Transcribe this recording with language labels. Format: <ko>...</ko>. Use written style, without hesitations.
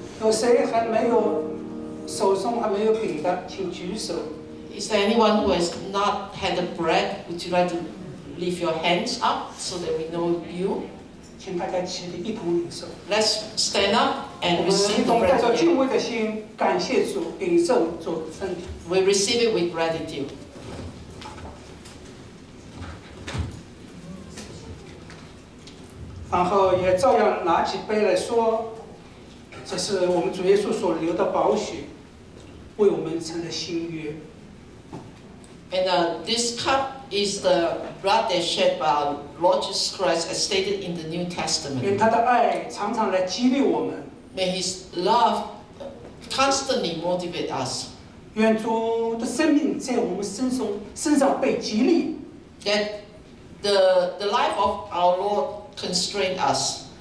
<zh>谁还没有手中还没有饼的，请举手。</zh> <en>Is there anyone who has not had the bread? Would you like to lift your hands up so that we know you?</en> <zh>请大家起立，一同领受。</zh> <en>Let's stand up and receive the bread.</en> <zh>我们一同带着敬畏的心，感谢主，领受主的身体。</zh> <en>We receive it with gratitude.</en> <zh>然后也照样拿起杯来说，这是我们主耶稣所流的宝血，为我们成了新约。</zh> <en>And this cup is the blood that shed by Lord Jesus Christ as stated in the New Testament.</en> <zh>愿他的爱常常来激励我们。</zh> <en>May his love constantly motivate us.</en> <zh>愿主的生命在我们身上被激励。</zh> <en>That the life of our Lord. Constrain us.</en>